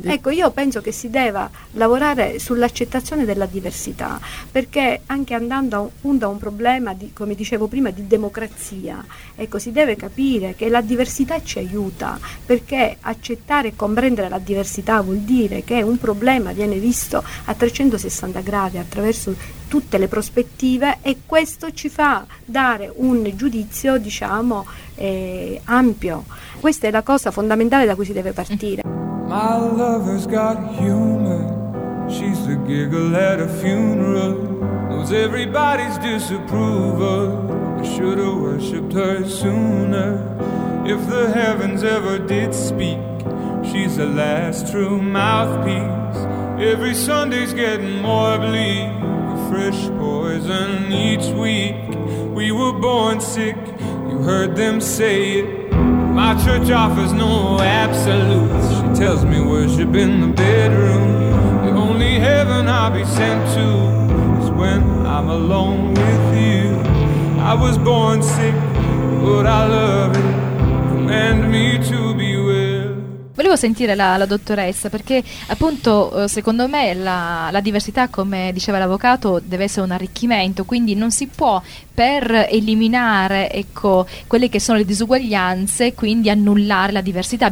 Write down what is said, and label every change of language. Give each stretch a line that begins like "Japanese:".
Italian: ecco, io penso che si deve lavorare sull'accettazione della diversità, perché anche andando a un problema di, come dicevo prima, di democrazia, ecco, si deve capire che la diversità ci aiuta, perché accettare e comprendere la diversità vuol dire che un problema viene visto a 360 gradi attraverso tutte le prospettive, e questo ci fa dare un giudizio, diciamo, ampio. Questa è la cosa fondamentale da cui si deve partire.
English: My lover's got humor. She's a giggle at a funeral. Knows everybody's disapproval. I should have worshipped her sooner. If the heavens ever did speak, she's the last true mouthpiece. Every Sunday's getting more bleak, a fresh poison each week. We were born sick, you heard them say it. My church offers no absolutes, she tells me worship in the bedroom. The only heaven I'll be sent to is when I'm alone with you. I was born sick, but I love it. Command me to be well.
Italian: Volevo sentire la dottoressa, perché appunto secondo me la diversità, come diceva l'avvocato, deve essere un arricchimento, quindi non si può, per eliminare, ecco, quelle che sono le disuguaglianze, quindi annullare la diversità.